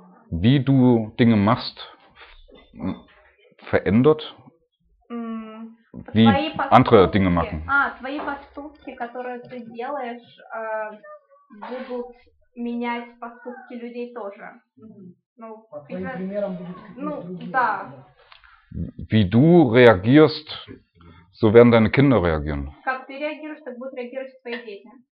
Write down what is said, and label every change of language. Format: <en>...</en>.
<de>Wie du Dinge machst, verändert, wie andere Dinge machen.</de> <ru>Твои поступки, которые ты делаешь, будут менять поступки людей тоже.</ru> <de>Wie du reagierst, so werden deine Kinder reagieren.</de> <ru>Как ты реагируешь, так будут реагировать твои дети.</ru>